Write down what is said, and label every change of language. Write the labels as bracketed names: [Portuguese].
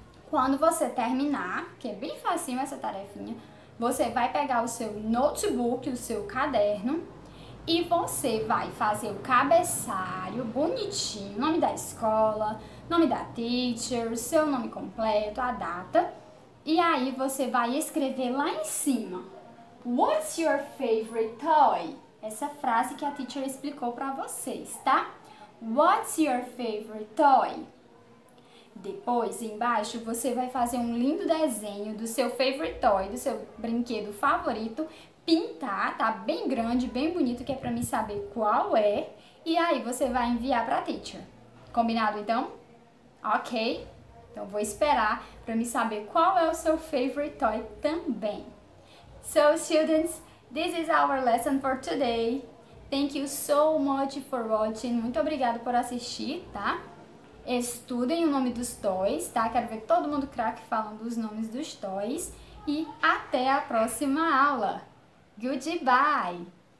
[Portuguese] Quando você terminar, que é bem facinho essa tarefinha, você vai pegar o seu notebook, o seu caderno, e você vai fazer o cabeçalho bonitinho, nome da escola, nome da teacher, seu nome completo, a data. E aí você vai escrever lá em cima, [English] what's your favorite toy? [Portuguese] Essa frase que a teacher explicou pra vocês, tá? [English] What's your favorite toy? [Portuguese] Depois, embaixo, você vai fazer um lindo desenho do seu favorite toy, do seu brinquedo favorito, pintar, tá bem grande, bem bonito, que é pra mim saber qual é. E aí você vai enviar pra teacher. Combinado, então? Ok. Então, vou esperar pra me saber qual é o seu favorite toy também. [English] So, students, this is our lesson for today. Thank you so much for watching. [Portuguese] Muito obrigada por assistir, tá? Estudem o nome dos toys, tá? Quero ver todo mundo craque falando os nomes dos toys. E até a próxima aula. Goodbye!